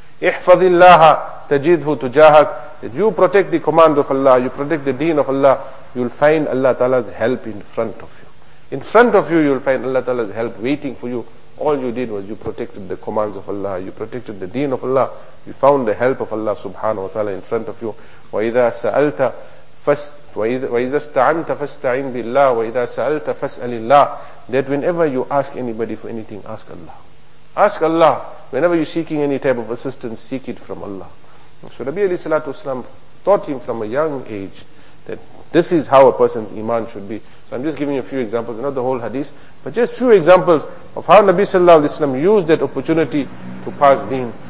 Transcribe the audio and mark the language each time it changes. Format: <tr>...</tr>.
<ar>احفظِ اللَّهَ تَجِدْهُ تُجَاهَكْ,</ar> <en>that you protect the command of Allah, you protect the deen of Allah, you'll find Allah Ta'ala's help in front of you. In front of you, you'll find Allah Ta'ala's help waiting for you. All you did was you protected the commands of Allah, you protected the deen of Allah, you found the help of Allah subhanahu wa ta'ala in front of you.</en> <ar>وَإِذَا سَأَلْتَ وَإِذَا اسْتَعَنْتَ فَاسْتَعِنْ بِاللَّهِ وَإِذَا سَأَلْتَ فَاسْأَلِ اللَّهِ,</ar> <en>that whenever you ask anybody for anything, ask Allah. Ask Allah. Whenever you're seeking any type of assistance, seek it from Allah. So Nabi alayhi salatu wasalam taught him from a young age that this is how a person's iman should be. So I'm just giving you a few examples, not the whole hadith, but just few examples of how Nabi sallallahu alayhi wasalam used that opportunity to pass deen.</en>